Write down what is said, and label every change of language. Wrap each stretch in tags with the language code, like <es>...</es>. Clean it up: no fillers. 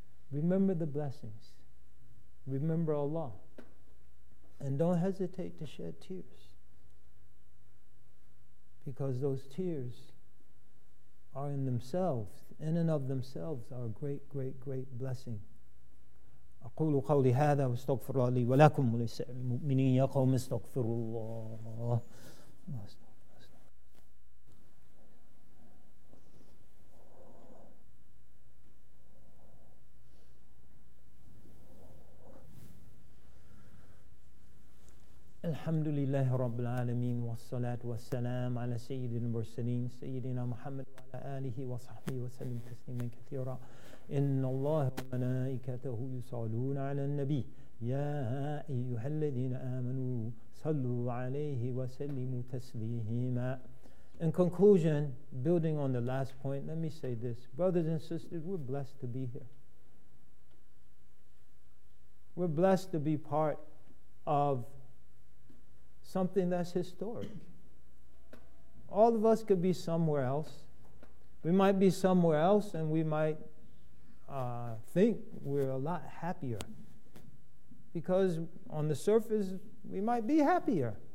<en>Remember the blessings. Remember Allah. And don't hesitate to shed tears, because those tears are in themselves, in and of themselves, are a great, great, great blessing.</en> <ar>أقول قولي هذا واستغفر الله لي ولكم ولسائر المؤمنين يا قوم استغفروا الله. الحمد لله رب العالمين والصلاة والسلام على سيد المرسلين سيدنا محمد وعلى آله وصحبه وسلم تسليما كثيرا. إن الله وملائكته يصلون على النبي يا أيها الذين آمنوا صلوا عليه وسلموا تسليما.</ar> <en>In conclusion, building on the last point, let me say this. Brothers and sisters, we're blessed to be here. We're blessed to be part of something that's historic. All of us could be somewhere else. We might be somewhere else and we might think we're a lot happier, because on the surface we might be happier.</en>